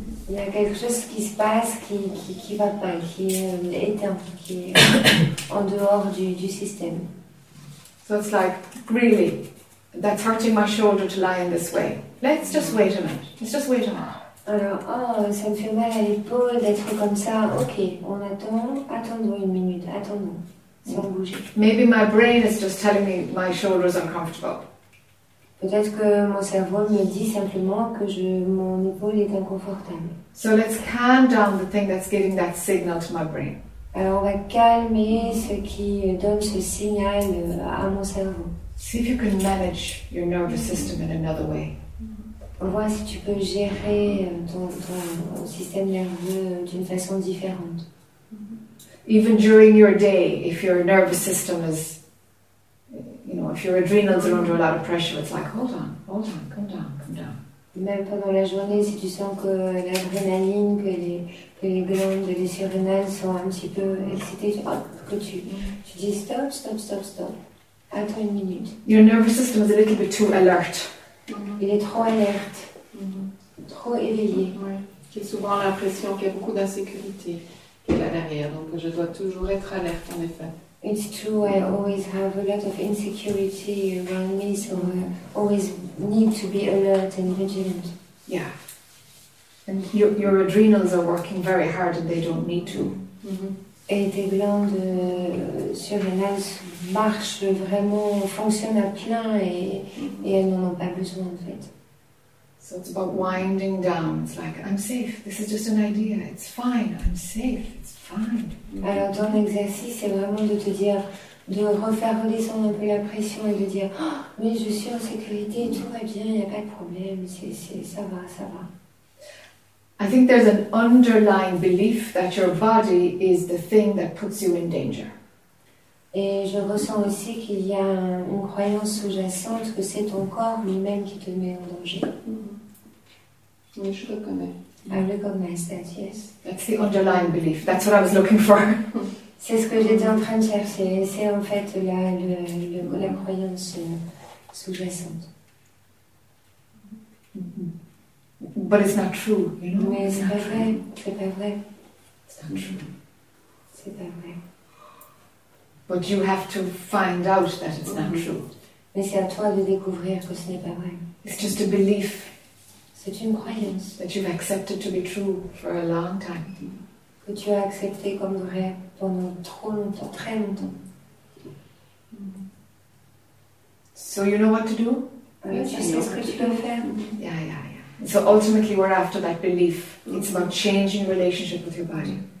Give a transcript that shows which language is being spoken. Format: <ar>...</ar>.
<fr>Il y a quelque chose qui se passe qui va pas, qui est éteint, qui est en dehors du système.</fr> <en>So it's like, really, that's hurting my shoulder to lie in this way. Let's just wait a minute. Let's just wait a minute.</en> <fr>Alors, oh, ça me fait mal à l'épaule d'être comme ça. Ok, on attend. Attendons une minute. Attendons. Sans bouger.</fr> <en>Maybe my brain is just telling me my shoulder is uncomfortable.</en> <fr>Peut-être que mon cerveau me dit simplement que mon épaule est inconfortable.</fr> <en>So let's calm down the thing that's giving that signal to my brain.</en> <fr>Alors on va calmer ce qui donne ce signal à mon cerveau.</fr> <en>See if you can manage your nervous system in another way.</en> <fr>Vois si tu peux gérer ton système nerveux d'une façon différente.</fr> <en>Even during your day, if your nervous system is if your adrenals are under a lot of pressure, it's like, hold on, calm down.</en> <fr>Même pendant la journée, si tu sens que l'adrénaline, que les glandes, les surrénales sont un petit peu excitées, tu dis stop. Attends une minute.</fr> <en>Your nervous system is a little bit too alert.</en> <fr>Mm-hmm. Il est trop alerte, mm-hmm. Trop éveillé. Ouais. J'ai souvent l'impression qu'il y a beaucoup d'insécurité qui est là derrière, donc je dois toujours être alerte en effet.</fr> <en>It's true, I always have a lot of insecurity around me, so I always need to be alert and vigilant. Yeah. And your adrenals are working very hard and they don't need to. Mm-hmm.</en> <fr>Et tes glandes surrénales marchent vraiment, fonctionnent à plein et elles n'en ont pas besoin en fait.</fr> <en>So it's about winding down. It's like, I'm safe. This is just an idea. It's fine. I'm safe. It's fine.</en> <fr>Alors, ton exercice, c'est vraiment de te dire, de refaire redescendre un peu la pression et de dire, oh, mais je suis en sécurité, tout va bien, il n'y a pas de problème. Ça va.</fr> <en>I think there's an underlying belief that your body is the thing that puts you in danger.</en> <fr>Et je ressens aussi qu'il y a une croyance sous-jacente que c'est ton corps lui-même qui te met en danger. Mm-hmm. Oui, je reconnais.</fr> <en>I recognize that, yes. That's the underlying belief. That's what I was looking for.</en> <fr>C'est ce que j'étais en train de chercher. C'est en fait la croyance sous-jacente.</fr> <en>Mm-hmm. But it's not true, you know?</en> <fr>Mais</fr> <en>it's</en> <fr>pas vrai. C'est pas vrai.</fr> <en>It's not true.</en> <fr>C'est pas vrai.</fr> <en>But you have to find out that it's not true.</en> <fr>Mais c'est à toi de découvrir que ce n'est pas vrai.</fr> <en>It's just a belief.</en> <fr>C'est une croyance.</fr> <en>That you've accepted to be true for a long time.</en> <fr>Que tu as accepté comme vrai pendant trop longtemps, très longtemps.</fr> <en>So you know what to do?</en> <fr>Tu sais ce que tu peux faire.</fr> <en>Yeah. So ultimately we're after that belief. It's about changing relationship with your body.</en>